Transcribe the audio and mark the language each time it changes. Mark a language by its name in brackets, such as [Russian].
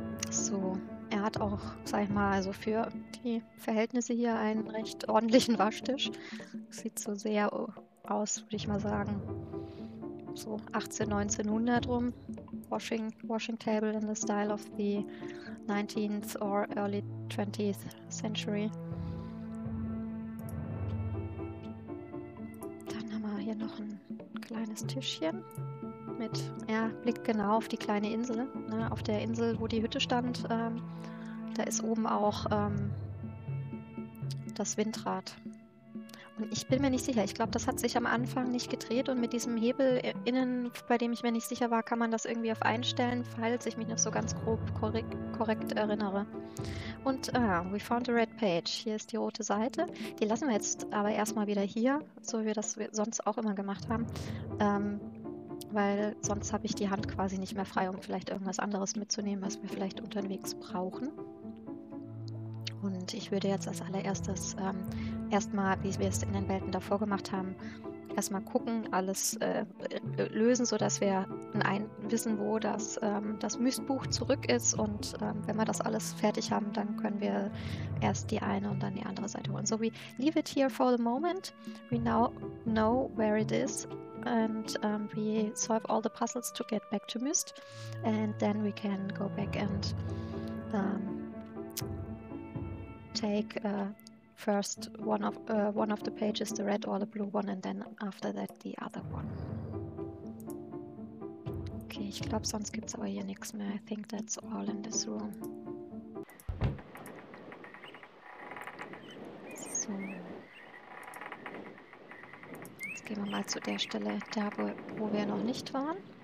[German] So, er hat auch, sag ich mal, also für die Verhältnisse hier einen recht ordentlichen Waschtisch. Sieht so sehr aus, würde ich mal sagen. So 18, 1900 rum. [English] Washing table in the style of the 19th or early 20th century. [German] Dann haben wir hier noch ein kleines Tischchen mit, ja, blickt genau auf die kleine Insel, ne, auf der Insel, wo die Hütte stand. Da ist oben auch das Windrad. Und ich bin mir nicht sicher. Ich glaube, das hat sich am Anfang nicht gedreht. Und mit diesem Hebel innen, bei dem ich mir nicht sicher war, kann man das irgendwie auf einstellen, falls ich mich noch so ganz grob korrekt erinnere. Und [English] we found a red page. [German] Hier ist die rote Seite. Die lassen wir jetzt aber erstmal wieder hier, so wie wir das sonst auch immer gemacht haben. weil sonst habe ich die Hand quasi nicht mehr frei, um vielleicht irgendwas anderes mitzunehmen, was wir vielleicht unterwegs brauchen. Und ich würde jetzt als allererstes erstmal, wie wir es in den Welten davor gemacht haben, erstmal gucken, alles lösen, sodass wir wissen, wo das Mistbuch zurück ist. Und wenn wir das alles fertig haben, dann können wir erst die eine und dann die andere Seite holen. [English] So, we leave it here for the moment. We now know where it is. And we solve all the puzzles to get back to Myst. And then we can go back and take first one of the pages, the red or the blue one, and then after that the other one. [German] Okay, ich glaube, sonst gibt es aber hier nichts mehr. [English] I think that's all in this room. [German] Gehen wir mal zu der Stelle, wo wir noch nicht waren.